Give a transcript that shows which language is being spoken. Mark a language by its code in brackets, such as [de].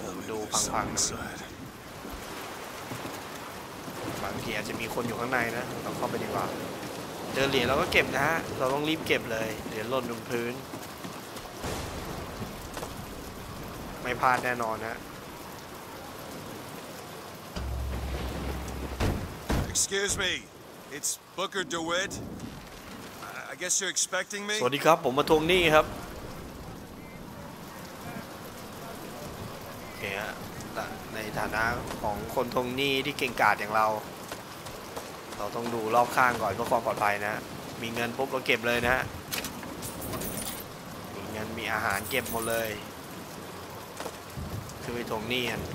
[th] ดูพังๆนะบางทีอาจจะมีคนอยู่ข้างในนะเราเข้าไปดีกว่าเจอเหรียญเราก็เก็บนะฮะเราต้องรีบเก็บเลยเหรียญหล่นลงพื้นไม่พลาดแน่นอนฮะ [en] Excuse me it's Booker DeWitt I guess you're expecting me [th] สวัสดีครับผมมาทวงหนี้ครับโอเคฮะในฐานะของคนทวงหนี้ที่เก่งกาจอย่างเราต้องดูรอบข้างก่อนเพื่อความปลอดภัยนะมีเงินปุ๊บเราเก็บเลยนะมีเงินมีอาหารเก็บหมดเลยคือไปทวงหนี้